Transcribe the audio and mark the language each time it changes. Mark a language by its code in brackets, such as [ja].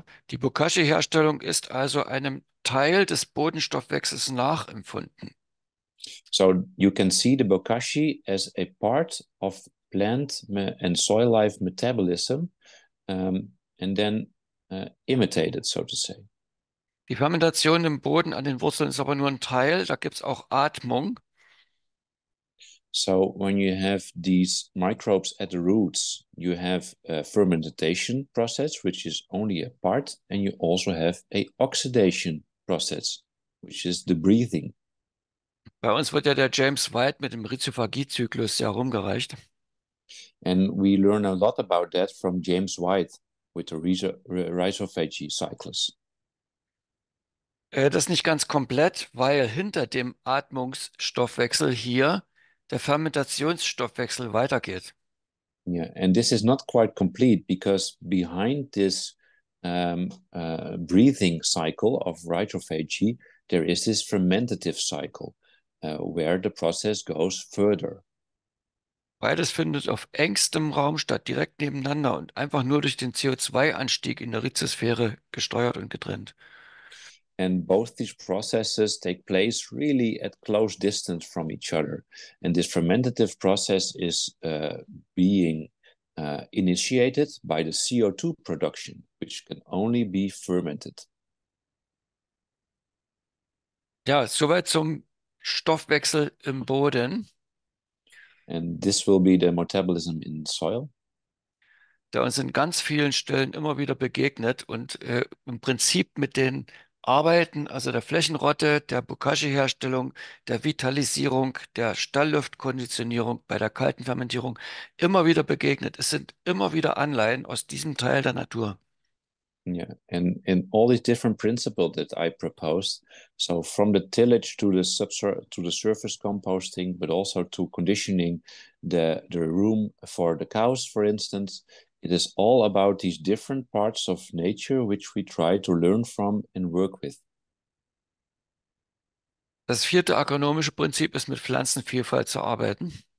[de] Die Bokashi-Herstellung ist also einem Teil des Bodenstoffwechsels nachempfunden. [en] So you can see the Bokashi as a part of plant and soil life metabolism and then imitated, so to say. [de] Die Fermentation im Boden an den Wurzeln ist aber nur ein Teil, da gibt es auch Atmung. [en] So when you have these microbes at the roots, you have a fermentation process, which is only a part, and you also have a oxidation process, which is the breathing. [de] Bei uns wird ja der James White mit dem Rhizophagie-Zyklus sehr rumgereicht. [en] And we learn a lot about that from James White with the rhizophagy cyclus. [de] Das ist nicht ganz komplett, weil hinter dem Atmungsstoffwechsel hier der Fermentationsstoffwechsel weitergeht. [en] Yeah, and this is not quite complete because behind this breathing cycle of rhizophagy, there is this fermentative cycle where the process goes further. [de] Beides findet auf engstem Raum statt, direkt nebeneinander und einfach nur durch den CO2-Anstieg in der Rhizosphäre gesteuert und getrennt. [en] And both these processes take place really at close distance from each other. And this fermentative process is being initiated by the CO2 production, which can only be fermented. [de] Ja, soweit zum Stoffwechsel im Boden. [en] And this will be the metabolism in soil. [de] Der uns in ganz vielen Stellen immer wieder begegnet und im Prinzip mit den Arbeiten, also der Flächenrotte, der Bokashi-Herstellung, der Vitalisierung, der Stallluftkonditionierung bei der kalten Fermentierung immer wieder begegnet. Es sind immer wieder Anleihen aus diesem Teil der Natur. [en] Yeah, and in all these different principles that I proposed, so from the tillage to the surface composting, but also to conditioning the room for the cows, for instance, it is all about these different parts of nature which we try to learn from and work with. [de] Das vierte agronomische Prinzip ist, mit Pflanzenvielfalt zu arbeiten.